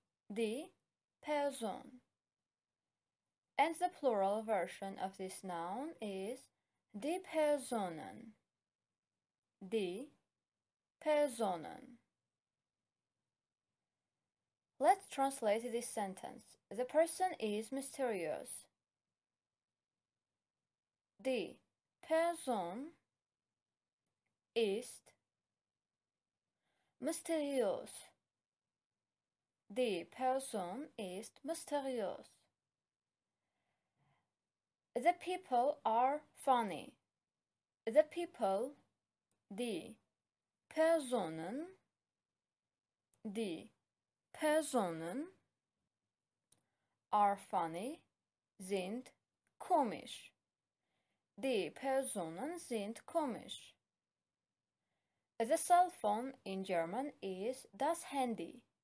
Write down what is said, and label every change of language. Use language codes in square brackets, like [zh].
[en] Die Person. And the plural version of this noun is die Personen. [de] Die Personen. [en] Let's translate this sentence. The person is mysterious. [de] Die Person ist mysterious. Die Person ist mysterious. [en] The people are funny. The people, [de] die Personen, die Personen [en] are funny, [de] sind komisch. Die Personen sind komisch. [en] The cell phone in German is das Handy.